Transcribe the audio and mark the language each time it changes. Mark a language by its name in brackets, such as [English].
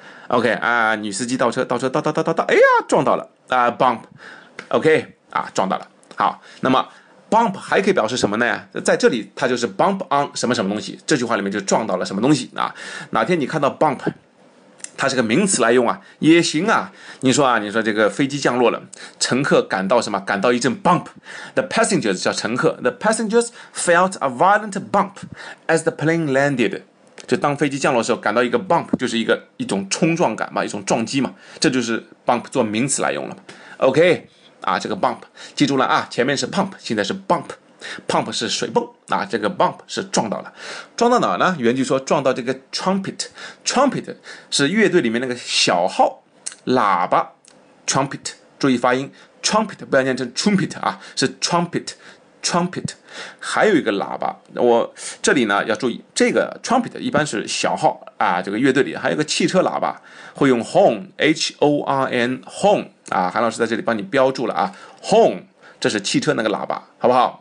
[Chinese] OK 啊，女司机倒车倒，哎呀，撞到了啊， bump, OK 啊，撞到了。好，那么 bump 还可以表示什么呢？在这里它就是 bump on 什么什么东西，这句话里面就撞到了什么东西啊。哪天你看到 bump它是个名词来用啊，也行啊。你说啊，你说这个飞机降落了，乘客感到什么？感到一阵 bump。 [English] The passengers [Chinese] 叫乘客 [English] ，the passengers felt a violent bump as the plane landed。 [Chinese] 就当飞机降落的时候，感到一个 bump， 就是一种冲撞感嘛，一种撞击嘛，这就是 bump 做名词来用了。 OK， 啊，这个 bump 记住了啊，前面是 pump， 现在是 bump。 pump 是水泵啊，这个 bump 是撞到了，撞到哪呢？原句说撞到这个 trumpet 是乐队里面那个小号喇叭 trumpet， 注意发音 trumpet， 不要念成 trumpet 啊，是 trumpet 还有一个喇叭，我这里呢要注意，这个 trumpet 一般是小号啊，这个乐队里还有个汽车喇叭，会用 horn H-O-R-N horn 啊，韩老师在这里帮你标注了啊， horn，这是汽车那个喇叭，好不好？